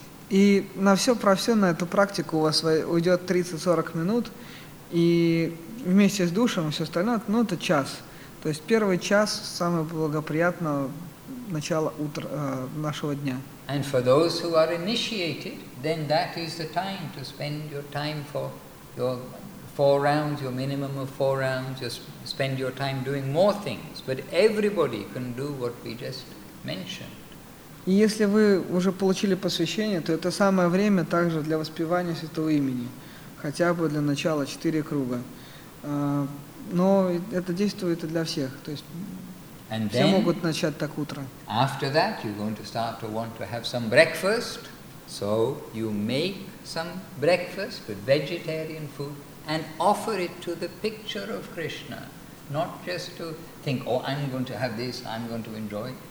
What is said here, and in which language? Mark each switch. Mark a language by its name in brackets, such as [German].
[Russian] И на все про все, на эту практику у вас уйдет 30-40 минут, и вместе с душем и все остальное, ну это час. То есть первый час самое благоприятное начало утра нашего дня. [English] And for those who are initiated, then that is the time to spend your time for your four rounds, your minimum of four rounds, just spend your time doing more things. But everybody can do what we just mentioned. [Russian] И если вы уже получили посвящение, то это самое время также для воспевания Святого Имени, хотя бы для начала 4 круга. Но это действует и для всех, то есть [English] and [Russian] все [English] then, [Russian] могут начать так утро. [English] After that you're going to start to want to have some breakfast, so you make some breakfast with vegetarian food and offer it to the picture of Krishna, not just to think, oh, I'm going to have this, I'm going to enjoy.